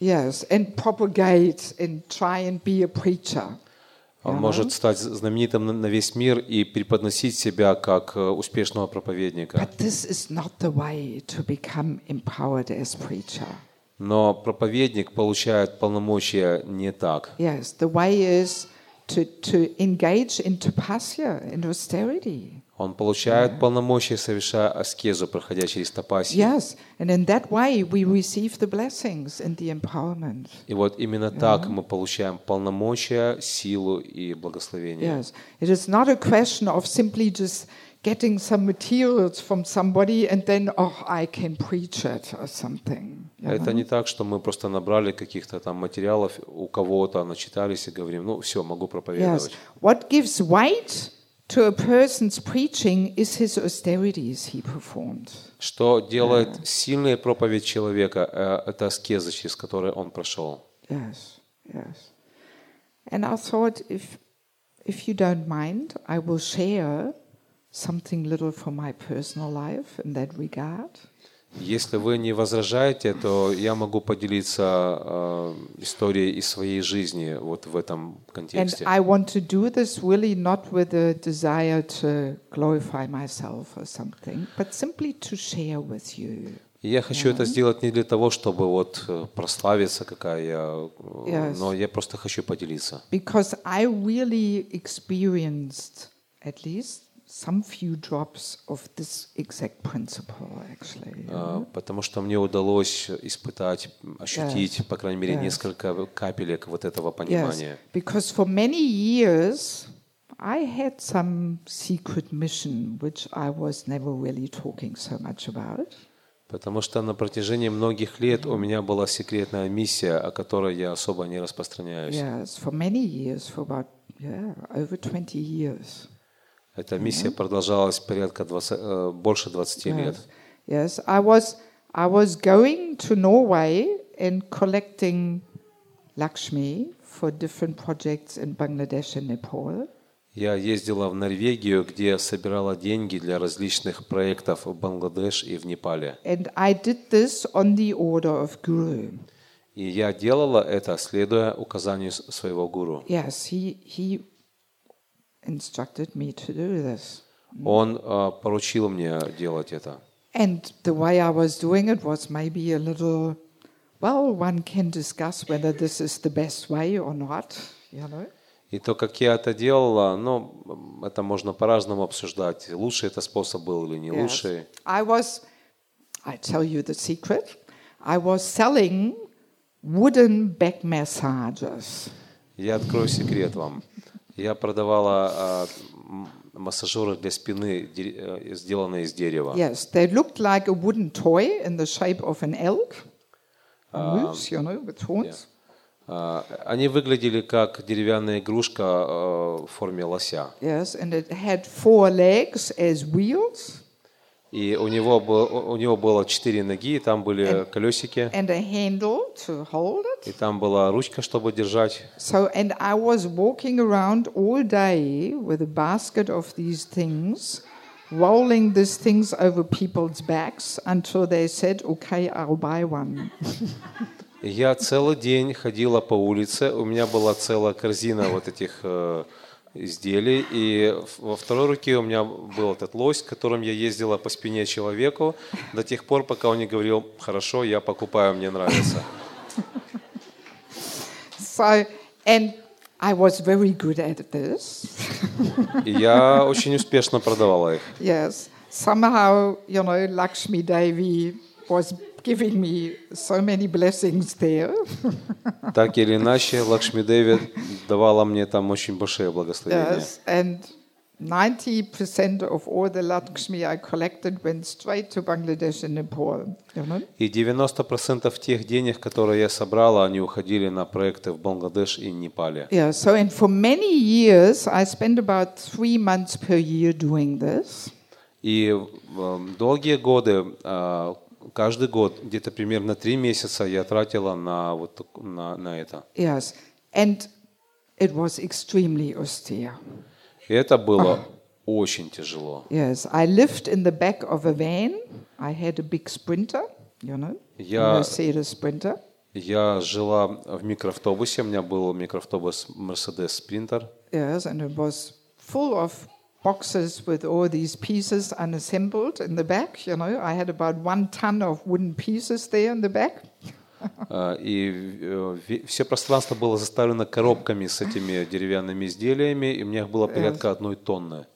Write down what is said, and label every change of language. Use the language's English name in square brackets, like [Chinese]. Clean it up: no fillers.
[English] Yes, and propagate and try and be a preacher. [Russian] Он может стать знаменитым на весь мир и преподносить себя как успешного проповедника. [English] But this is not the way to become empowered as preacher. [Russian] Но проповедник получает полномочия не так. [English] Yes, the way is to engage in tapasya, in austerity. [Russian] Он получает полномочия, совершая аскезу, проходя через тапасию. [English] Yes, and in that way we receive the blessings and the empowerment. [Russian] И вот именно так мы получаем полномочия, силу и благословение. [English] Yes, it is not a question of simply just getting some materials from somebody and then, oh, I can preach it or something. [Russian] Это не так, что мы просто набрали каких-то там материалов у кого-то, начитались и говорим, ну все, могу проповедовать. [English] Yes, what gives weight to a person's preaching is his austerities he performed. [Russian] Что делает сильной проповедь человека, это аскеза, через которую он прошел. [English] Yes, yes. And I thought, if you don't mind, I will share something little from my personal life in that regard. [Russian] Если вы не возражаете, то я могу поделиться историей из своей жизни вот в этом контексте. [English] And I want to do this really not with a desire to glorify myself or something, but simply to share with you. [Russian] Я хочу это сделать не для того, чтобы вот прославиться, какая я, но я просто хочу поделиться. [English] Because I really experienced at least some few drops of this exact principle, actually. [Russian] Потому что мне удалось испытать, ощутить, по крайней мере, несколько капелек вот этого понимания. [English] Yes, because for many years I had some secret mission, which I was never really talking so much about. [Russian] Потому что на протяжении многих лет у меня была секретная миссия, о которой я особо не распространяюсь. [English] Yes, for many years, for about over 20 years. [Russian] Эта миссия продолжалась порядка 20, больше 20 лет. [English] Yes, I was going to Norway and collecting Lakshmi for different projects in Bangladesh and Nepal. [Russian] Я ездила в Норвегию, где собирала деньги для различных проектов в Бангладеш и в Непале. [English] And I did this on the order of Guru. [Russian] И я делала это, следуя указанию своего гуру. [English] Yes, he instructed me to do this. [Russian] Он поручил мне делать это. [English] And the way I was doing it was maybe a little, well, one can discuss whether this is the best way or not, you know. [Russian] И то, как я это делала, ну, это можно по-разному обсуждать. Лучший это способ был или не лучший. [English] Yes. I tell you the secret. I was selling wooden back massages. [Russian] Я открою секрет вам. Я продавала массажеры для спины, сделанные из дерева. [English] Yes, they looked like a wooden toy in the shape of an elk, a moose, you know, with horns. Yeah. [Russian] Они выглядели как деревянная игрушка в форме лося. [English] Yes, and it had four legs as wheels. [Russian] И у него было четыре ноги, и там были колесики. [English] And a handle to hold it. [Russian] И там была ручка, чтобы держать. [English] So, and I was walking around all day with a basket of these things, rolling these things over people's backs until they said, okay, I'll buy one. [Russian] Я целый день ходила по улице, у меня была целая корзина вот этих изделий, и во второй руке у меня был этот лось, которым я ездила по спине человеку до тех пор, пока он не говорил, хорошо, я покупаю, мне нравится. [English] So, and I was very good at this. [Russian] Я очень успешно продавала их. [English] Yes, somehow, you know, Lakshmi Devi was giving me so many blessings there. [Russian] Так или иначе, Лакшмидеви давала мне там очень большие благословения. [English] Yes, and 90% of all the Lakshmi I collected went straight to Bangladesh and Nepal. [Russian] И 90% тех денег, которые я собрала, они уходили на проекты в Бангладеш и Непале. [English] Yeah, so and for many years I spent about 3 months per year doing this. [Russian] И долгие годы, каждый год где-то примерно 3 месяца я тратила на вот на это. [English] Yes, and it was extremely austere. [Russian] И это было очень тяжело. [English] Yes, I lived in the back of a van. I had a big sprinter, you know, a Mercedes sprinter. [Russian] Я жила в микроавтобусе. У меня был микроавтобус Mercedes Sprinter. [English] Yes, and it was full of boxes with all these pieces unassembled in the back. You know, I had about 1 ton of wooden pieces there in the back. [Russian] И все пространство было заставлено коробками с этими деревянными изделиями, и у меня их было порядка 1 тонны.